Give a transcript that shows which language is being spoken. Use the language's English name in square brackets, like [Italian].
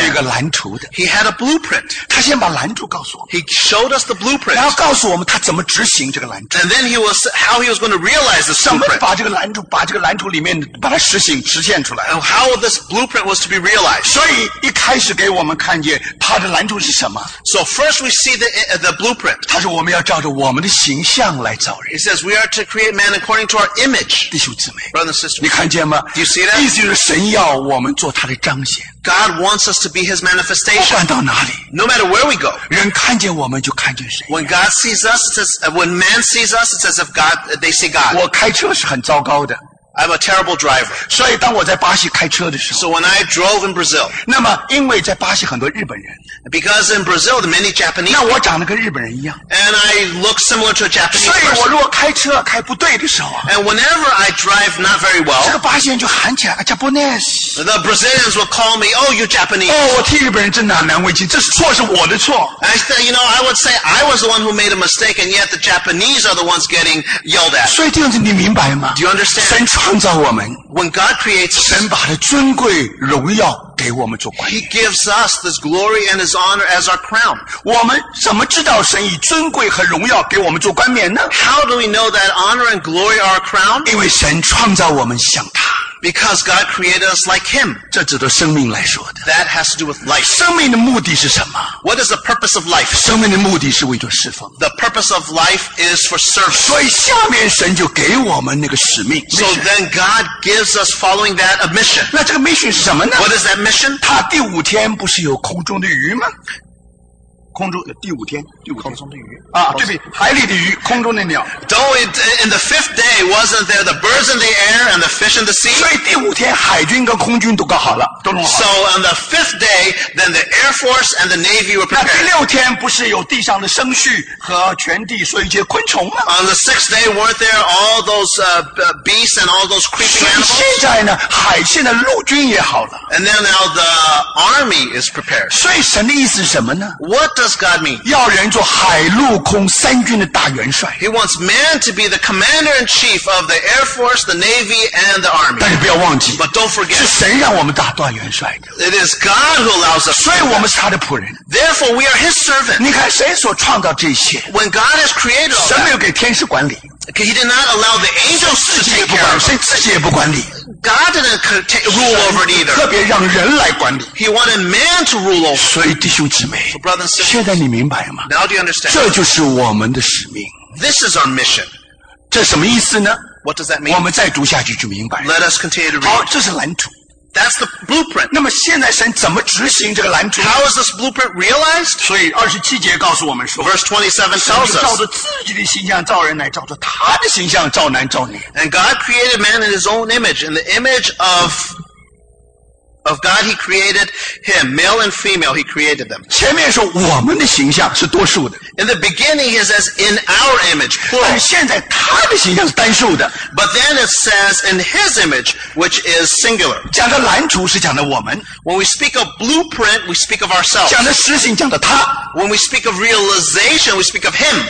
[Chinese] 还有一个蓝图的。 [English] He had a blueprint. [Chinese] 他先把蓝图告诉我们。 [English] He showed us the blueprint. [Chinese] 然后告诉我们他怎么执行这个蓝图。 [English] And then how he was going to realize this blueprint. [Chinese] 怎么把这个蓝图里面把它实现出来。 [English] And how this blueprint was to be realized. [Chinese] 所以一开始给我们看见他的蓝图是什么。 [English] So first we see the blueprint. [Chinese] 他说我们要照着我们的形象来造人。 [English] He says we are to create man according to our image. [Chinese] 弟兄姊妹。 [English] Brother and sister. [Chinese] 你看见吗？ [English] Do you see that? [Chinese] 意思是神要我们做他的彰显。 [English] God wants us to be His manifestation. [Chinese] 不管到哪里， [English] no matter where we go, [Chinese] 人看见我们就看见谁。 [English] When God sees us, it says, when man sees us, it's as if God, they see God. [Chinese] 我开车是很糟糕的。 [English] I'm a terrible driver. [Chinese] 所以当我在巴西开车的时候， [English] so when I drove in Brazil, [Chinese] 那么因为在巴西很多日本人， [English] because in Brazil there are many Japanese, [Chinese] 那我长得跟日本人一样， [English] and I look similar to a Japanese person. [Chinese] 所以我如果开车开不对的时候， [English] and whenever I drive not very well, [Chinese] 这个巴西人就喊起来， [English] a Japanese. The Brazilians will call me, oh, you Japanese. [Chinese] 哦，我替日本人真难为情，这是错是我的错。 [English] I said, you know, I would say I was the one who made a mistake, and yet the Japanese are the ones getting yelled at. [Chinese] 所以弟兄姊妹，你明白吗？ [English] Do you understand? [Chinese] 神创造我们， [English] When God creates us, [Chinese] 神把他尊贵荣耀给我们做冠冕。 [English] He gives us this glory and His honor as our crown. [Chinese] 我们怎么知道神以尊贵和荣耀给我们做冠冕呢？ [English] How do we know that honor and glory are our crown? [Chinese] 因为神创造我们像他。 [English] Because God created us like Him. [Chinese] 这指的生命来说的。 [English] That has to do with life. [Chinese] 生命的目的是什么？ [English] What is the purpose of life? [Chinese] 生命的目的是为着侍奉。 [English] The purpose of life is for service. [Chinese] 所以下面神就给我们那个使命。 [English] So then God gives us following that a mission. [Chinese] 那这个 mission 是什么呢？ [English] What is that mission? [Chinese] 他第五天不是有空中的鱼吗？空中第五天，第五天空中的鱼啊，对比海里的鱼，空中的鸟。 [English] Though in the fifth day wasn't there the birds in the air and the fish in the sea? [Chinese] 所以第五天海军跟空军都搞好了，都弄好了。 [English] So on the fifth day, then the air force and the navy were prepared. [Chinese] 那第六天不是有地上的牲畜和全地所有一些昆虫吗？ [English] On the sixth day, weren't there all those beasts and all those creeping animals? [Chinese] 所以现在呢，海现在陆军也好了。 [English] And then now the army is prepared. [Chinese] 所以神的意思是什么呢？ [English] What does God mean? [Chinese] 要人做海陆空三军的大元帅。 [English] He wants man to be the commander in chief of the air force, the navy, and the army. [Chinese] 但是不要忘记， [English] but don't forget, [Chinese] 是神让我们大当元帅的。 [English] It is God who allows us. [Chinese] 所以我们是他的仆人。 [English] Therefore, we are His servant. [Chinese] 你看神所创造这些。 [English] When God has created all that, [Chinese] 神没有给天使管理。 [English] He did not allow the angels to take care of. [Chinese] 神自己也不管理。 [English] God didn't rule over it either. [Chinese] 特别让人来管理。 [English] He wanted man to rule over. [Chinese] 所以弟兄姊妹， [English] so brother and sister, [Chinese] 现在你明白吗？ [English] Now do you understand? [Chinese] 这就是我们的使命。 [English] This is our mission. [Chinese] 这什么意思呢？ [English] What does that mean? [Chinese] 我们再读下去就明白。 [English] Let us continue to read. [Chinese] 好，这是蓝图。 [English] That's the blueprint. [Chinese] 那么现在神怎么执行这个蓝图？ [English] How is this blueprint realized? [Chinese] 所以二十七节告诉我们说， [English] Verse 27 tells us, [Chinese] 神就照着自己的形象造人来，照着他的形象造男造女。 [English] And God created man in His own image, in the image of Of God he created him, male and female he created them. [Chinese] 前面说我们的形象是多数的。 [English] In the beginning he says in our image, plural. [Chinese] 但现在他的形象是单数的。 [English] But then it says in his image, which is singular. [Chinese] 讲的蓝图是讲的我们。 [English] When we speak of blueprint, we speak of ourselves. [Chinese] 讲的实行讲的他。 [English] When we speak of realization, we speak of him.